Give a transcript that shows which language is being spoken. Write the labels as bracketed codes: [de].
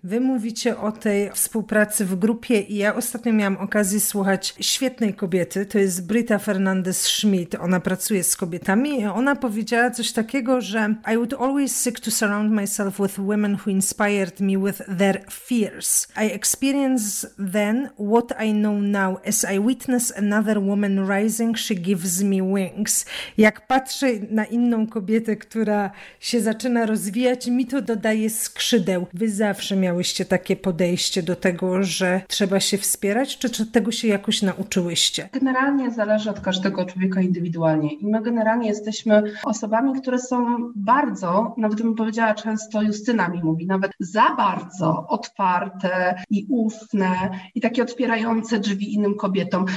[pl] Wy mówicie o tej współpracy w grupie i ja ostatnio miałam okazję słuchać świetnej kobiety, to jest Britta Fernandez-Schmidt, ona pracuje z kobietami i ona powiedziała coś takiego, że [en] I would always seek to surround myself with women who inspired me with their fears. I experience then what I know now. As I witness another woman rising, she gives me wings. [pl] Jak patrzę na inną kobietę, która się zaczyna rozwijać, mi to dodaje skrzydeł. Wy zawsze miałyście takie podejście do tego, że trzeba się wspierać, czy tego się jakoś nauczyłyście? Generalnie zależy od każdego człowieka indywidualnie. I my generalnie jesteśmy osobami, które są bardzo, nawet bym powiedziała często Justyna, mówi, nawet za bardzo otwarte i ufne i takie otwierające drzwi innym kobietom.